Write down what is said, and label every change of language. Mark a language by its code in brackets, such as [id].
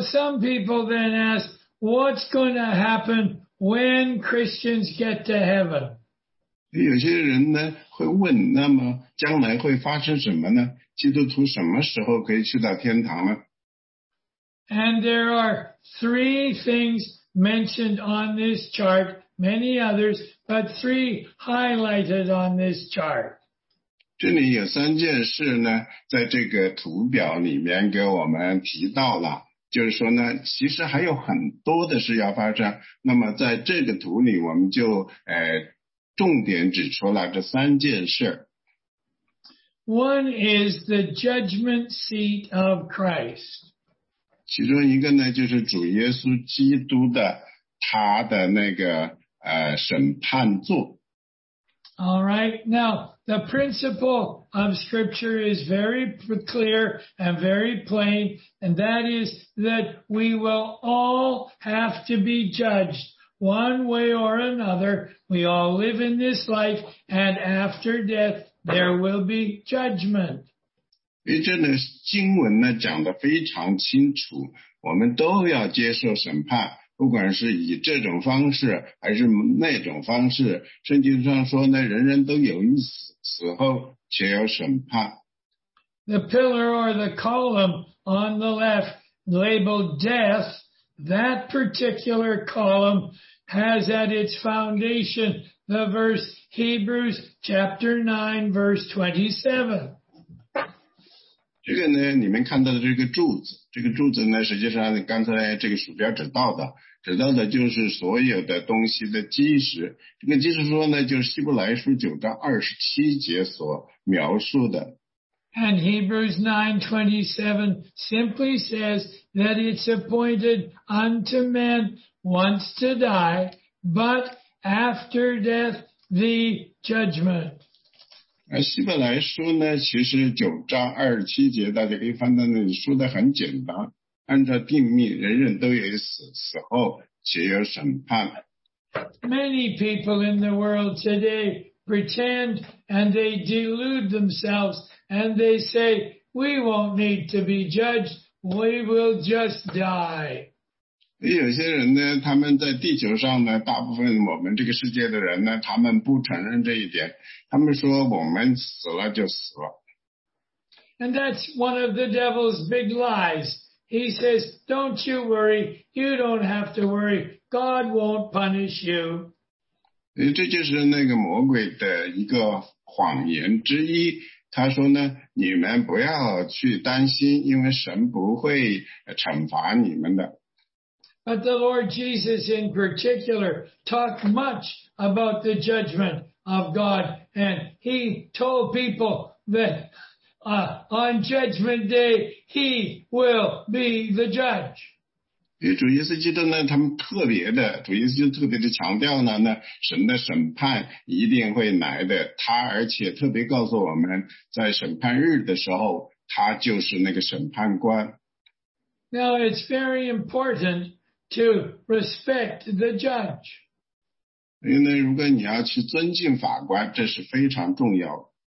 [en] some people then ask, what's going to happen when Christians get to heaven? [zh] 有些人呢,会问,那么将来会发生什么呢?基督徒什么时候可以去到天堂呢? [en] And there are three things mentioned on this chart, many others, but three highlighted on this chart. [zh] 这里有三件事呢,在这个图表里面给我们提到了。就是说呢,其实还有很多的事要发生,那么在这个图里我们就 重点指出了这三件事。 [en] One is the judgment seat of Christ. [zh] 其中一个呢就是主耶稣基督的他的那个审判座。 [en] Alright, now the principle of scripture is very clear and very plain, and that is that we will all have to be judged one way or another. We all live in this life, and after death, there will be judgment. [zh] 所以这呢经文呢讲得非常清楚，我们都要接受审判。不管是以这种方式还是那种方式，圣经上说呢，人人都有一死，死后且有审判。 [en] The pillar or the column on the left labeled death, that particular column has at its foundation the verse Hebrews chapter 9 verse 27. [zh] 这个呢你们看到的这个柱子，这个柱子呢实际上刚才这个鼠标指到的就是所有的东西的基石。这个基石说呢就是希伯来书九章二十七节所描述的。 [en] And Hebrews 9:27 simply says that it's appointed unto men once to die, but after death the judgment. [zh] 而希伯来书呢其实九章二十七节大家可以翻到那里说的很简单，按照定命人人都有死，死后且有审判。 [en] Many people in the world today pretend and they delude themselves and they say, we won't need to be judged, we will just die. [zh] 有些人呢他们在地球上呢大部分我们这个世界的人呢他们不承认这一点，他们说我们死了就死了。 [en] And that's one of the devil's big lies. He says, don't you worry, you don't have to worry, God won't punish you. [zh] 这就是那个魔鬼的一个谎言之一，他说呢你们不要去担心，因为神不会惩罚你们的。 [en] But the Lord Jesus in particular talked much about the judgment of God, and he told people that on judgment day, he will be the judge. [zh] 主耶稣基督呢他们特别的主耶稣基督特别的强调呢那神的审判一定会来的，他而且特别告诉我们在审判日的时候他就是那个审判官。 [en] Now it's very importantTo respect the judge. [zh] 因为如果你要去尊敬法官，这是非常重要。